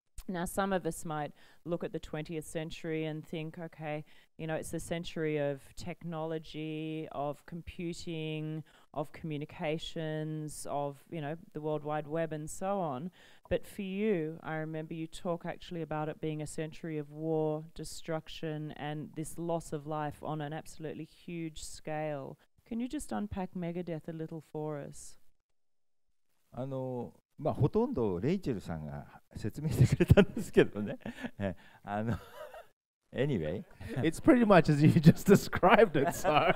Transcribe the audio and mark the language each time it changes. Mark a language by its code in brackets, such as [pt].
[en] Now, some of us might look at the 20th century and think, okay, you know, it's the century of technology, of computing, of communications, of, you know, the World Wide Web and so on. But for you, I remember you talk actually about it being a century of war, destruction, and this loss of life on an absolutely huge scale. Can you just unpack Megadeth a little for us? [ja] まあ、ほとんどレイチェルさんが説明してくれたんですけどね。 [en] Anyway. It's pretty much as you just described it, so.